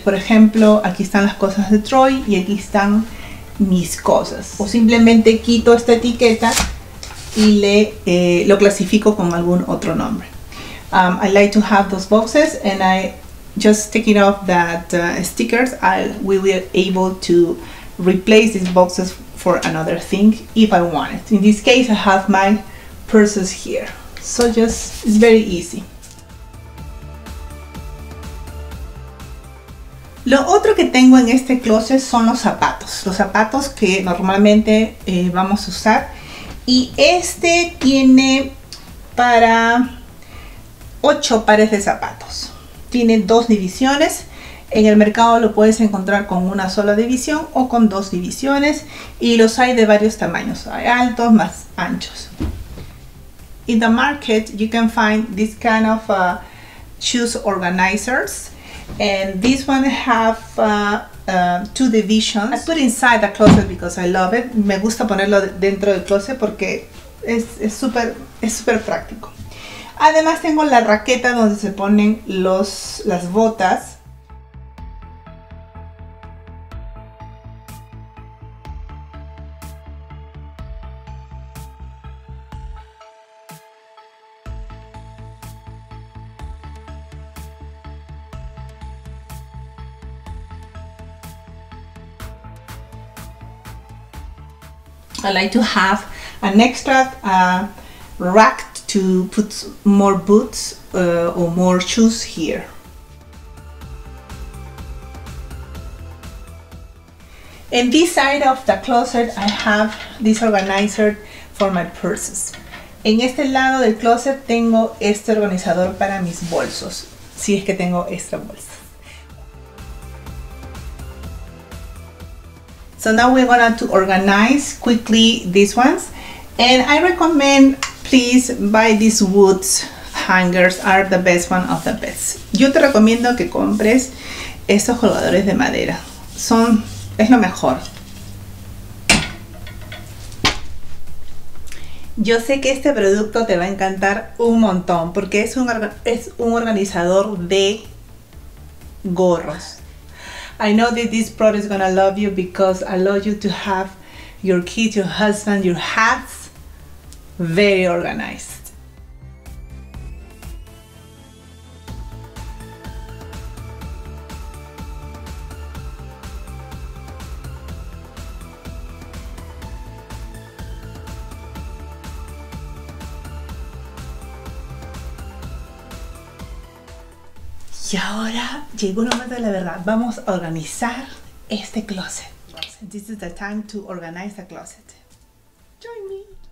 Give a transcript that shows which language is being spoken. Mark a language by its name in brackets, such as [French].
[Spanish] Por ejemplo, aquí están las cosas de Troy y aquí están mis cosas, o simplemente quito esta etiqueta y lo clasifico con algún otro nombre. [English] I like to have those boxes and I just taking off that stickers, we will able to replace these boxes for another thing if I want it. In this case, I have my purses here, so just it's very easy. [Spanish] Lo otro que tengo en este closet son los zapatos que normalmente vamos a usar. Y este tiene para 8 pares de zapatos. Tiene 2 divisiones. En el mercado lo puedes encontrar con una sola división o con 2 divisiones. Y los hay de varios tamaños, hay altos más anchos. [English] In the market, you can find this kind of shoes organizers. And this one have two divisions. I put inside the closet because I love it. [Spanish] Me gusta ponerlo dentro del closet porque es super práctico. Además tengo la raqueta donde se ponen las botas. [English] I like to have an extra rack to put more boots or more shoes here. In this side of the closet, I have this organizer for my purses. [Spanish] En este lado del closet tengo este organizador para mis bolsos, si es que tengo extra bolsa. [English] So now we're going to organize quickly these ones. And I recommend, please, buy these wood hangers. Are the best one of the best. [Spanish] Yo te recomiendo que compres estos colgadores de madera. Es lo mejor. Yo sé que este producto te va a encantar un montón porque es un organizador de gorros. [English] I know that this product is gonna love you because allow you to have your kids, your husband, your hats very organized. [Spanish] Y ahora llegó el momento de la verdad. Vamos a organizar este closet. [English] This is the time to organize the closet. Join me.